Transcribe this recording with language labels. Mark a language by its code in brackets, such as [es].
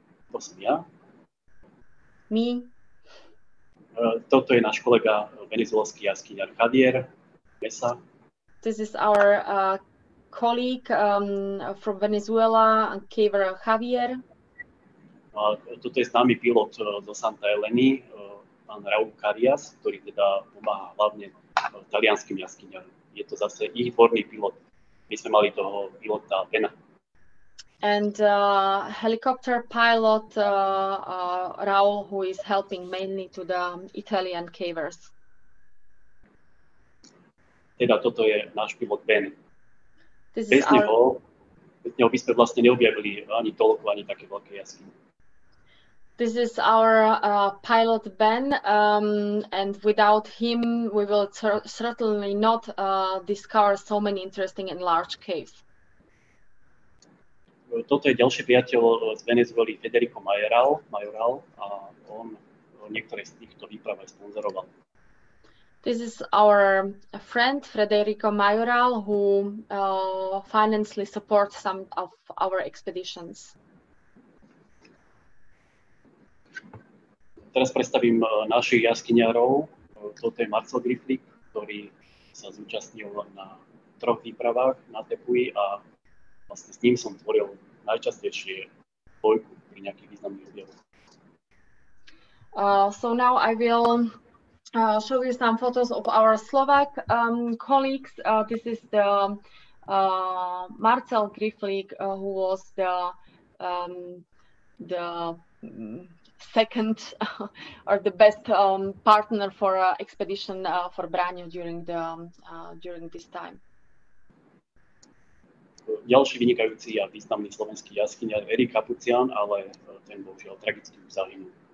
[sk] To som ja. [en] Me. [sk] Toto je náš kolega venezuelský jaskyňar Kadier Mesa. [en] This is our colleague from Venezuela, caver Javier. [sk] Toto je známy pilot zo Santa Eleny, pán Raúl Carias, ktorý teda pomáha hlavne talianským jaskyňam. Je to zase ich dvorný pilot. My sme mali toho pilota Pena. [en] And helicopter pilot Raul, who is helping mainly to the Italian cavers. [sk] Teda toto je náš pilot Ben. [en] This [sk] bez neho, [en] our... [sk] bez neho by sme vlastne neobjavili ani toľko, ani také veľké jaskyne. [en] This is our pilot Ben, and without him we will certainly not discover so many interesting and large caves. [sk] Toto je ďalší priateľ z Venezuely, Federico Majoral, a on niektoré z týchto výprav aj sponzoroval. [en] This is our friend Federico Majoral, who financially supports some of our expeditions. [sk] Teraz predstavím našich jaskyňarov. Toto je Marcel Griflik, ktorý sa zúčastnil na troch výpravách na Tepui a vlastne s ním som tvoril najčastejšie dvojku pri nejakých významných objavoch. [en] So now I will show you some photos of our Slovak colleagues. This is the Marcel Griflik, who was the second or the best partner for expedition for Braňo during the during this time. [sk] Ďalší vynikajúci a významný slovenský jaskyňar Erik Kapucian, ale ten bohužiaľ tragicky zahynul.